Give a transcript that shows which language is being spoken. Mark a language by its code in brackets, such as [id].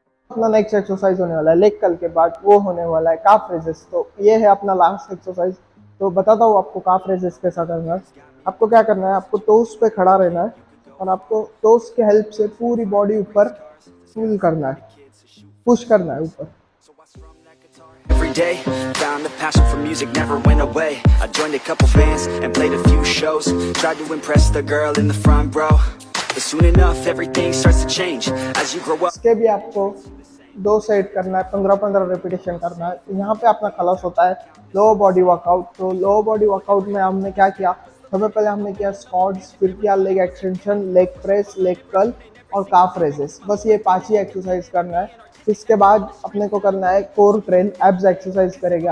[hi] अपना next exercise होने वाला है लेग कर्ल के बाद, वो होने वाला है काफ रेजेस। तो ये है अपना लास्ट एक्सरसाइज, तो बताता हूँ आपको काफ रेजेस कैसा करना है। आपको क्या करना है, आपको टोस पे खड़ा रहना है और आपको टोस के हेल्प से पूरी बॉडी ऊपर पुल करना है, पुश करना है ऊपर। [en] Found a passion for music, never went away. I joined a couple bands and played a few shows. Tried to impress the girl in the front row. But soon enough, everything starts to change as you grow up. [hi] इसके भी आपको दो set करना है, 15-15 repetition करना है। यहाँ पे अपना क्लास होता है लोअर बॉडी वर्कआउट। तो लोअर बॉडी वर्कआउट में हमने क्या किया, सबसे पहले हमने किया स्क्वाट्स, फिर किया leg extension, leg press, leg curl और काफ रेजेस। बस ये पांच ही एक्सरसाइज करना है। इसके बाद अपने को करना है कोर ट्रेन, एब्स एक्सरसाइज करेंगे।